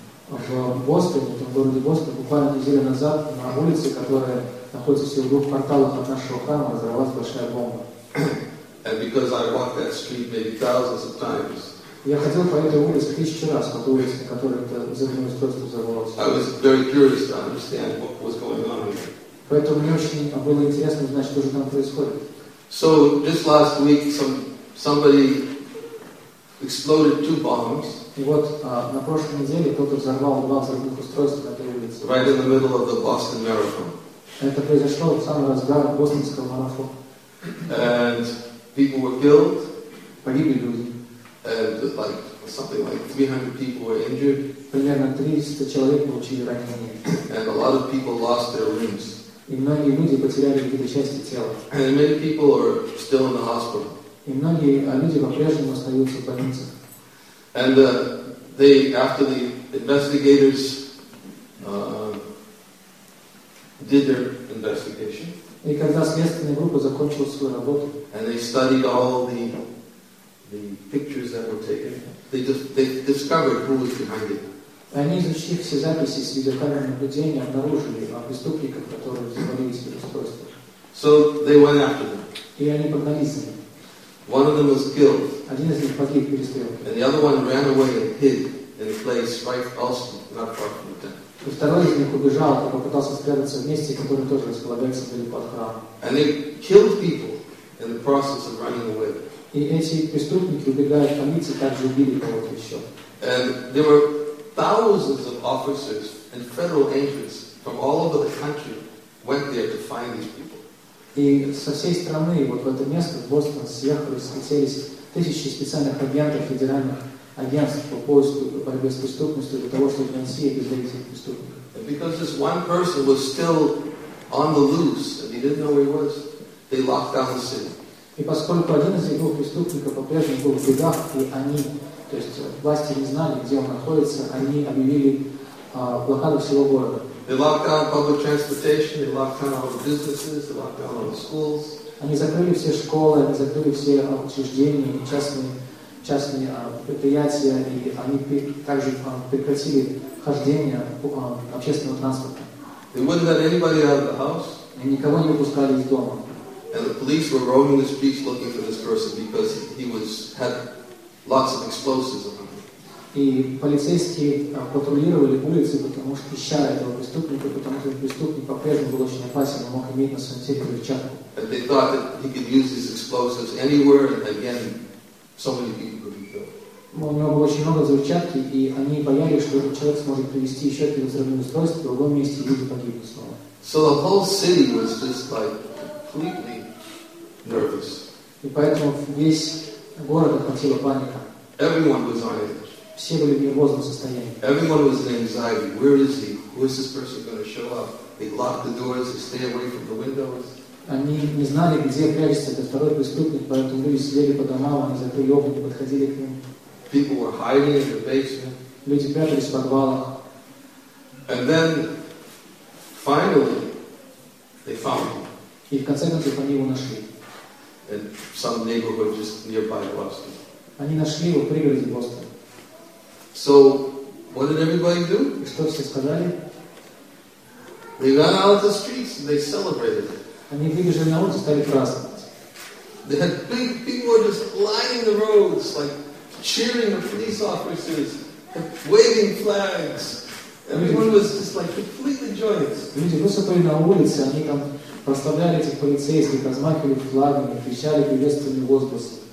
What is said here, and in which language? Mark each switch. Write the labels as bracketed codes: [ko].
[ru] В Бостоне, в городе Бостон, буквально неделю назад на улице, которая находится всего в двух кварталах от нашего храма, взорвалась большая бомба. [en] And because I walked that street maybe thousands of times. [ru] Я ходил по этой улице тысячу раз, по той улице, которая это взрывное устройство взорвалось. [en] I was very curious to understand what was going on here. [ru] Поэтому мне очень было интересно узнать, что же там происходит. [en] So just last week, somebody exploded two bombs. [ru] И вот на прошлой неделе кто-то взорвал два взрывных устройства на этой улице. [en] Right in the middle of the Boston Marathon. [ru] Это произошло в самый разгар бостонского марафона. [en] And people were killed. [ru] Погибли люди. [en] And like something like 300 people were injured. [ru] Примерно 300 человек получили ранения. [en] And a lot of people lost their limbs. [ru] И многие люди потеряли какие-то части тела. [en] And many people are still in the hospital. [ru] И многие люди по-прежнему остаются в больнице. [en] And they, after the investigators did their investigation, [ru] и когда следственная группа закончила свою работу, [en] and they studied all the pictures that were taken, they discovered who was behind it. [ru] Они изучили все записи с видеокамер наблюдения, обнаружили преступников, которые завалили свои устройства. [en] So they went after them. [ru] И они погнались за ними. [en] One of them was killed. [ru] Один из них погиб в перестрелке. [en] And the other one ran away and hid in a place right also not far from the temple. [ru] И второй из них убежал, и попытался спрятаться в месте, которое тоже располагается далеко от храма. [en] And they killed people in the process of running away. [ru] И эти преступники, убегая от полиции, также убили кого-то еще. [en] And there were thousands of officers and federal agents from all over the country went there to find these people. [ru] И со всей страны, вот в это место, в Бостон, съехали, слетелись тысячи специальных агентов, федеральных агентств по поиску, по борьбе с преступностью, для того, чтобы найти и обезвредить этих преступников. [en] And because this one person was still on the loose, and he didn't know where he was, they locked down the city. [ru] И поскольку один из его преступников по-прежнему был в бегах, и они, то есть власти не знали, где он находится, они объявили блокаду всего города. [en] They locked down public transportation, they locked down all the businesses, they locked down all the schools. [ru] Они закрыли все школы, они закрыли все учреждения, частные предприятия, и они также прекратили хождение общественного транспорта. [en] They wouldn't let anybody out of the house. [ru] И никого не выпускали из дома. [en] And the police were roaming the streets looking for this person because he was had lots of explosives on him. [ru] И полицейские патрулировали улицы, потому что ища этого преступника, потому что преступник по-прежнему был очень опасен, он мог иметь на своем теле взрывчатку. [en] But they thought that he could use these explosives anywhere, and again, so many people would be killed. [ru] У него было очень много взрывчатки, и они боялись, что этот человек сможет привести еще один взрывной устройство в другом месте, и люди погибнут снова. [en] So the whole city was just like completely nervous. [ru] И поэтому весь город охватила паника. [en] Everyone was on edge. [ru] Все были в нервозном состоянии. [en] Everyone was in anxiety. Where is he? Who is this person going to show up? They locked the doors. They stay away from the windows. [ru] Они не знали, где прячется этот второй преступник, поэтому люди сидели по домам, они закрыли окна, не подходили к ним. [en] People were hiding in their basement. [ru] Люди прятались в подвалах. [en] And then, finally, they found him. [ru] И в конце концов они его нашли. [en] In some neighborhood just nearby Boston. [ru] Они нашли его в пригороде Бостона. [en] So, what did everybody do? [ru] Что все сказали? [en] They ran out of the streets and they celebrated it. [ru] Они выбежали на улицу, стали праздновать. [en] They had big people just lining the roads, like cheering the police officers, waving flags. Everyone was just like completely joyous. [ru] Люди высыпали на улице, они там проставляли этих полицейских, размахивали флагами, кричали приветственные возгласы.